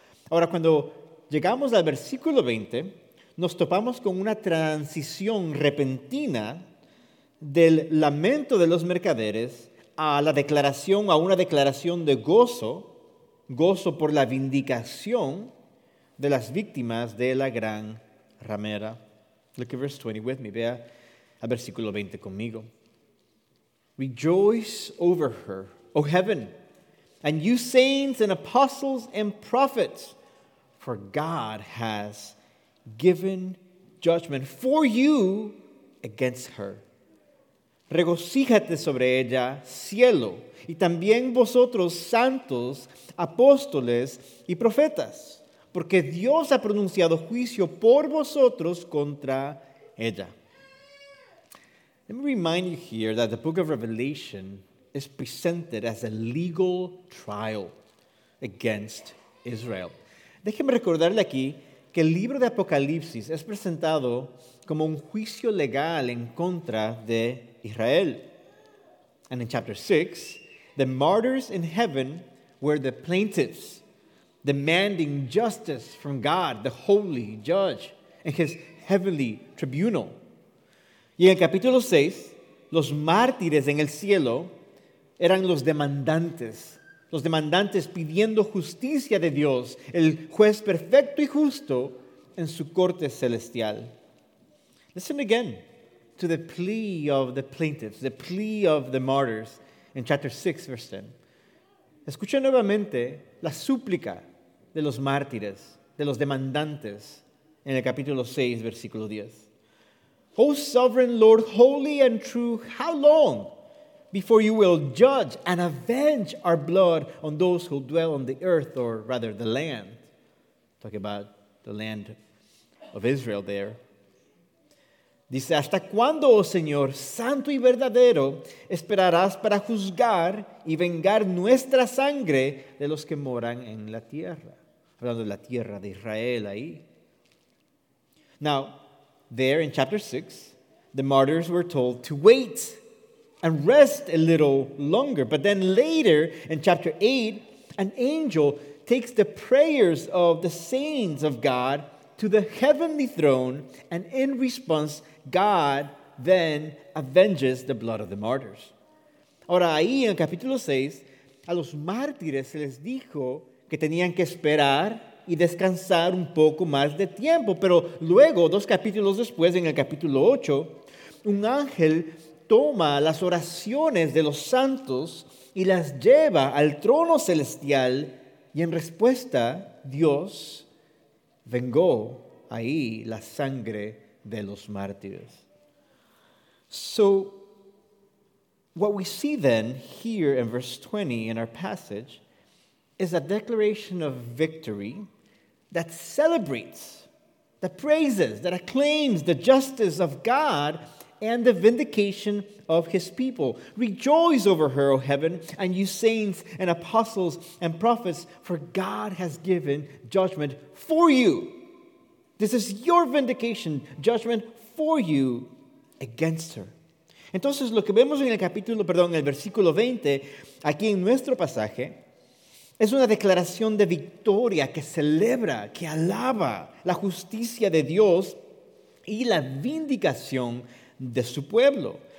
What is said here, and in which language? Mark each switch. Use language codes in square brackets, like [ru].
[es] Ahora, cuando llegamos al versículo 20, nos topamos con una transición repentina del lamento de los mercaderes a la declaración, a una declaración de gozo. Gozo por la vindicación de las víctimas de la gran ramera. [en] Look at verse 20 with me. [es] Vea al versículo 20 conmigo. [en] Rejoice over her, O heaven, and you saints and apostles and prophets, for God has given judgment for you against her. [es] Regocíjate sobre ella, cielo, y también vosotros, santos, apóstoles y profetas, porque Dios ha pronunciado juicio por vosotros contra ella. [en] Let me remind you here that the book of Revelation is presented as a legal trial against Israel. [es] Déjeme recordarle aquí que el libro de Apocalipsis es presentado como un juicio legal en contra de Israel. [en] And in chapter 6, the martyrs in heaven were the plaintiffs demanding justice from God, the holy judge, in his heavenly tribunal. [es] Y en el capítulo 6, los mártires en el cielo eran los demandantes pidiendo justicia de Dios, el juez perfecto y justo en su corte celestial. [en] Listen again to the plea of the plaintiffs, the plea of the martyrs in chapter 6, verse 10. [es] Escucha nuevamente la súplica de los mártires, de los demandantes, en el capítulo 6, versículo 10. [en] O sovereign Lord, holy and true, how long before you will judge and avenge our blood on those who dwell on the earth, or rather the land? Talk about the land of Israel there. [es] Dice, ¿hasta cuándo, oh Señor, santo y verdadero, esperarás para juzgar y vengar nuestra sangre de los que moran en la tierra? Hablando de la tierra de Israel ahí. [en] Now, there in chapter 6, the martyrs were told to wait and rest a little longer. But then later in chapter 8, an angel takes the prayers of the saints of God to the heavenly throne, and in response, God then avenges the blood of the martyrs. [es] Ahora, ahí en el capítulo 6, a los mártires se les dijo que tenían que esperar y descansar un poco más de tiempo. Pero luego, dos capítulos después, en el capítulo 8, un ángel toma las oraciones de los santos y las lleva al trono celestial, y en respuesta, Dios vengó ahí la sangre de los mártires. So, [en] What we see then here in verse 20 in our passage is a declaration of victory that celebrates, that praises, that acclaims the justice of God and the vindication of his people. Rejoice over her, O heaven, and you saints and apostles and prophets, for God has given judgment for you. This is your vindication, judgment for you against her. [es] Entonces, lo que vemos en el capítulo, perdón, en el versículo 20, aquí en nuestro pasaje, es una declaración de victoria que celebra, que alaba la justicia de Dios y la vindicación de su pueblo.